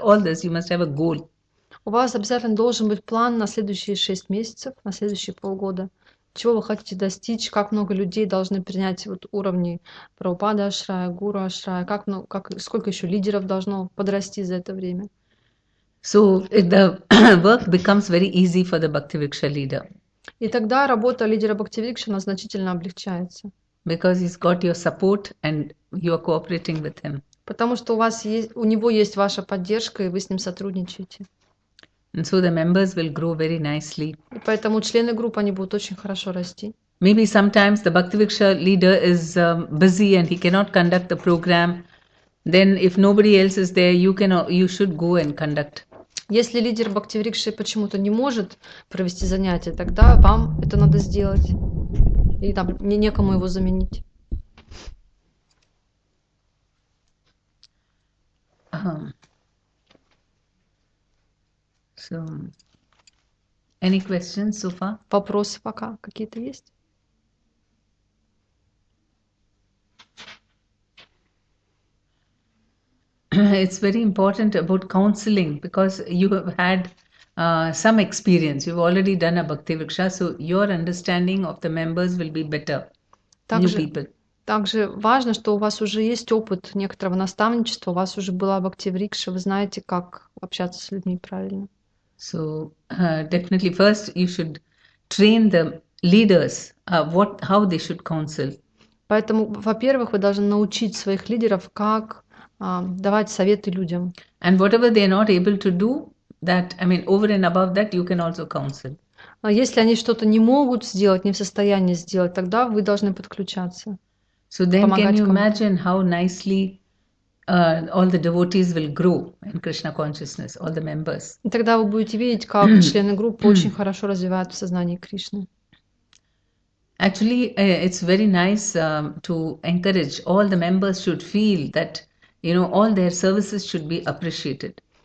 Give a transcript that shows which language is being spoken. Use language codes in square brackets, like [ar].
[en] All this, you must have a goal. [ru] У вас обязательно должен быть план на следующие 6 месяцев, на следующие полгода. Чего вы хотите достичь, как много людей должны принять вот уровни Прабхупада Ашрая, Гуру Ашрая, как, ну, как, сколько еще лидеров должно подрасти за это время. [en] So the work becomes very easy for the Bhaktivriksha leader. [ru] И тогда работа лидера Бхактивикши значительно облегчается. [en] Because he's got your support and you are cooperating with him. [ru] Потому что у вас есть, у него есть ваша поддержка, и вы с ним сотрудничаете. [en] And so the members will grow very nicely. [ru] И поэтому члены группы, они будут очень хорошо расти. [en] Maybe sometimes the Bhaktivriksha leader is busy and he cannot conduct the program. Then if nobody else is there, you should go and conduct. [ru] Если лидер Бхактивриксы почему-то не может провести занятие, тогда вам это надо сделать. И там некому его заменить. [en] So, any questions so far? [ru] Вопросы пока какие-то есть? [en] It's very important about counseling because you have had some experience. You've already done a Bhakti Vriksha, so your understanding of the members will be better. [ru] Также, [en] new people. [ru] Также важно, что у вас уже есть опыт некоторого наставничества, у вас уже была Бхакти Врикша, вы знаете, как общаться с людьми правильно. [en] So definitely first you should train the leaders how they should counsel. [ru] Поэтому, во-первых, вы должны научить своих лидеров, как давать советы людям. [en] And whatever they are not able to do, that, I mean, over and above that, you can also counsel. [ru] Если они что-то не могут сделать, не в состоянии сделать, тогда вы должны подключаться. [en] So then, can [ru] помогать [en] you [ru] кому-то. [en] imagine how nicely all the devotees will grow in Krishna consciousness, all the members? [ru] И тогда вы будете видеть, как члены группы очень хорошо развиваются в сознании Кришны. [en] Actually, it's very nice to encourage all the members should feel that, you know, all their services should be appreciated.